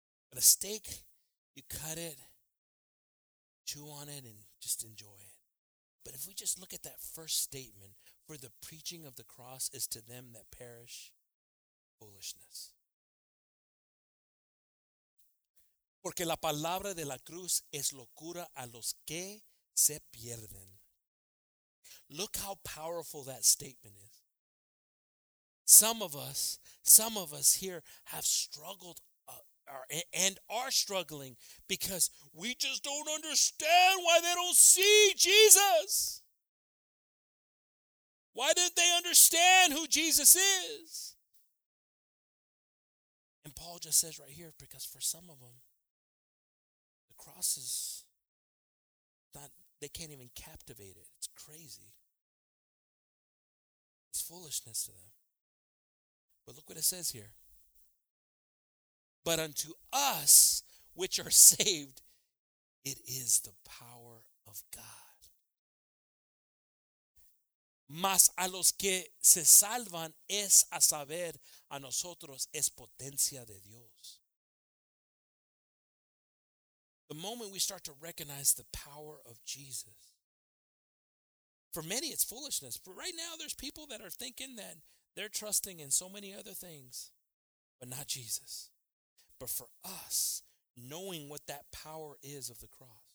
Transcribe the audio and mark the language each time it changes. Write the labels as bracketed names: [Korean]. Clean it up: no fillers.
[English] But a steak, you cut it, chew on it, and just enjoy it. But if we just look at that first statement, for the preaching of the cross is to them that perish foolishness. [Spanish] Porque la palabra de la cruz es locura a los que se pierden. [English] Look how powerful that statement is. Some of us here have struggled and are struggling because we just don't understand why they don't see Jesus. Why didn't they understand who Jesus is? And Paul just says right here, because for some of them, the cross is not, they can't even captivate it. It's crazy. It's foolishness to them. But look what it says here. But unto us which are saved, it is the power of God. [Spanish] Mas a los que se salvan es a saber, a nosotros es potencia de Dios. [English] The moment we start to recognize the power of Jesus, for many it's foolishness. But right now there's people that are thinking that they're trusting in so many other things, but not Jesus. But for us, knowing what that power is of the cross,